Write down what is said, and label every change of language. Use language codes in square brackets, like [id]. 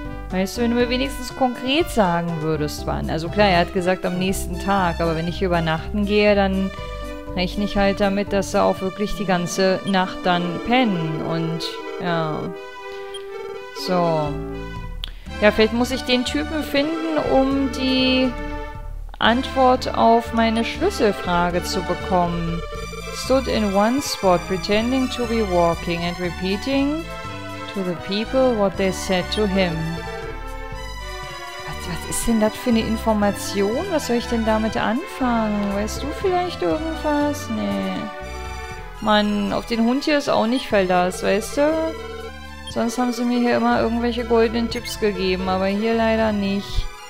[de] Weißt du, wenn du mir wenigstens konkret sagen würdest, wann. Also klar, er hat gesagt am nächsten Tag, aber wenn ich hier übernachten gehe, dann rechne ich halt damit, dass er auch wirklich die ganze Nacht dann pennen. Und ja, so. Ja, vielleicht muss ich den Typen finden, um die Antwort auf meine Schlüsselfrage zu bekommen. [en] Stood in one spot, pretending to be walking and repeating to the people what they said to him. [de] Was ist denn das für eine Information? Was soll ich denn damit anfangen? Weißt du vielleicht irgendwas? Nee. Mann, auf den Hund hier ist auch nicht Verlass, weißt du? Sonst haben sie mir hier immer irgendwelche goldenen Tipps gegeben, aber hier leider nicht.